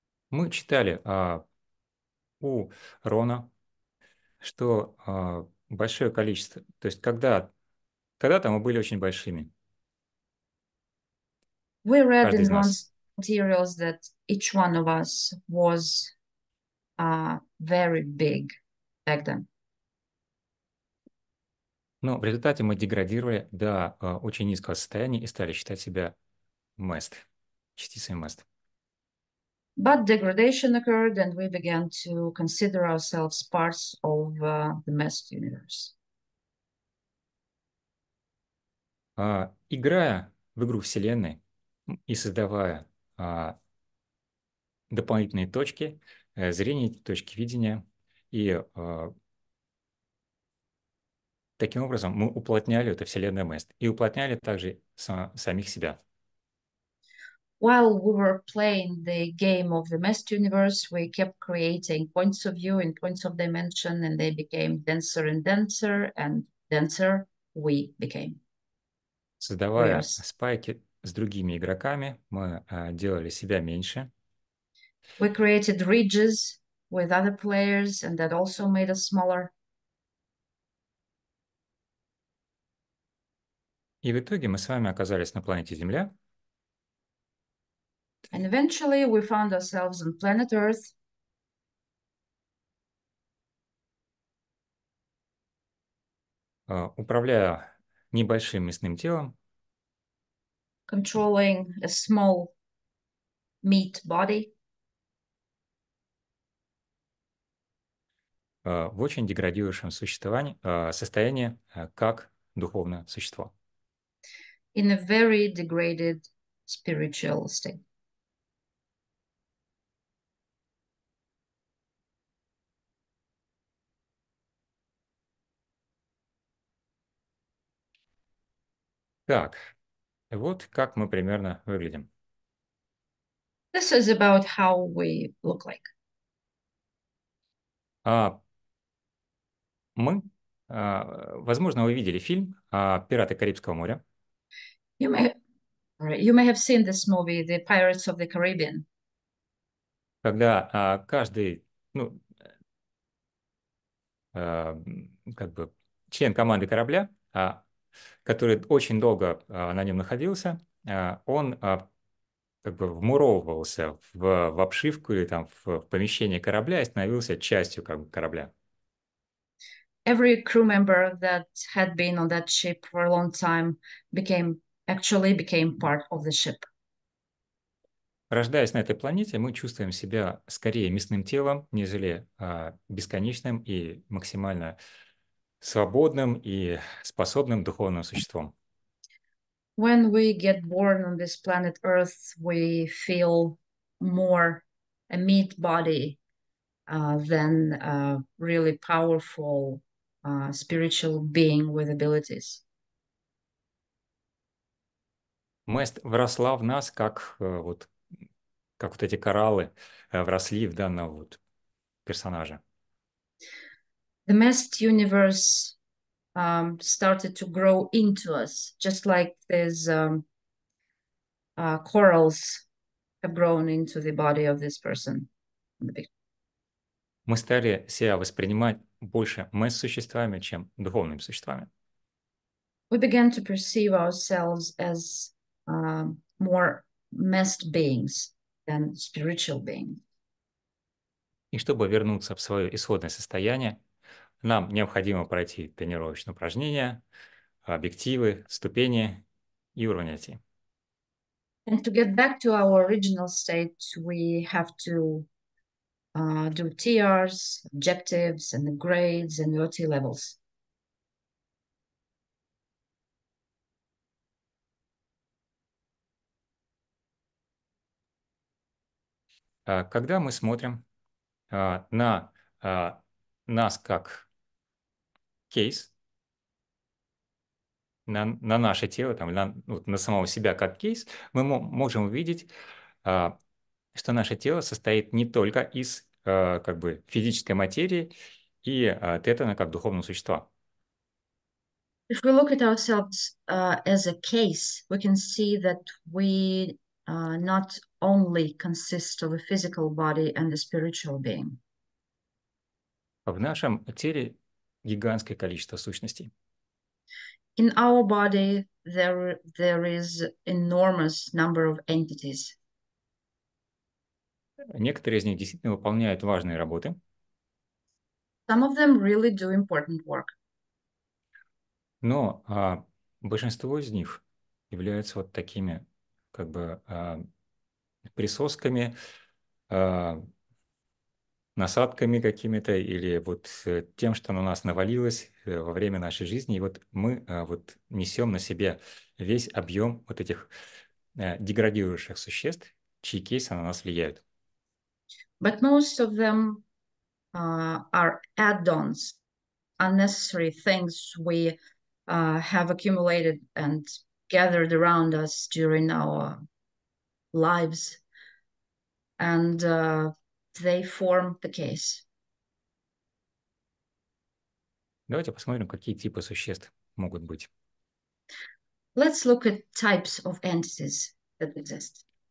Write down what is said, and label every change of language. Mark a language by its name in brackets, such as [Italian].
[Russian] Мы читали у Рона, что большое количество, то есть когда-то мы были очень большими. [English] We read [Russian] каждый [English] in [Russian] из нас. [English] Materials that each one of us was very big back then. [Russian] Но в результате мы деградировали до очень низкого состояния и стали считать себя мест, частицей мест. [English] But degradation occurred and we began to consider ourselves parts of the mest universe. [Russian] Играя в игру Вселенной и создавая дополнительные точки зрения, точки видения, и таким образом мы уплотняли это вселенное мест и уплотняли также самих себя. [English] While we were playing the game of the messed universe, we kept creating points of view and points of dimension, and they became denser and denser, and denser we became. [Russian] Создавая спайки с другими игроками, мы делали себя меньше. [English] We created ridges with other players, and that also made us smaller. [Russian] И в итоге мы с вами оказались на планете Земля. [English] And eventually we found ourselves on planet Earth. [Russian] Управляя небольшим мясным телом. [English] Controlling a small meat body. [Russian] В очень деградирующем существовании, состоянии, как духовное существо. [English] In a very degraded spiritual state. [Russian] Так, вот как мы примерно выглядим. [English] This is about how we look like. [Russian] Мы, возможно, вы видели фильм «Пираты Карибского моря». [English] You may have seen this movie, The Pirates of the Caribbean. [Russian] Когда каждый, ну, как бы член команды корабля, который очень долго на нем находился, он как бы вмуровывался в обшивку или там в помещение корабля и становился частью как бы корабля. [English] Every crew member that had been on that ship for a long time became part of the ship. [Russian] Рождаясь на этой планете, мы чувствуем себя скорее мясным телом, нежели бесконечным и максимально свободным и способным духовным существом. [English] When we get born on this planet Earth, we feel more a meat body than a really powerful spiritual being with abilities. [Russian] Мест вросла в нас, как вот эти кораллы вросли в данного вот персонажа. [English] The messed universe started to grow into us, just like these corals have grown into the body of this person. [Russian] Мы стали себя воспринимать больше мест-существами, чем духовными существами. [English] We began to perceive ourselves as more messed beings than spiritual beings. [Russian] И чтобы вернуться в свое исходное состояние, нам необходимо пройти тренировочные упражнения, объективы, ступени и уровни IT. [English] And to get back to our original state, we have to do TRs, objectives, and the grades, and OT levels. [Russian] Когда мы смотрим на нас как кейс, на наше тело, там, на самого себя как кейс, мы можем увидеть что наше тело состоит не только из как бы физической материи и тетана как духовного существа. [English] If we look at ourselves as a case, we can see that we not only consist of a physical body and a spiritual being. [Russian] В нашем теле гигантское количество сущностей. [English] In our body, there is enormous number of entities. [Russian] Некоторые из них действительно выполняют важные работы. [English] Some of them really do important work. [Russian] Но большинство из них являются вот такими как бы присосками, насадками какими-то или вот тем, что на нас навалилось во время нашей жизни. И вот мы вот несем на себе весь объем вот этих деградирующих существ, чьи кейсы на нас влияют. [English] But most of them are add-ons, unnecessary things we have accumulated and gathered around us during our lives, and they form the case. [Russian] Давайте посмотрим, какие типы существ могут быть. [English] Let's look at types of entities that exist.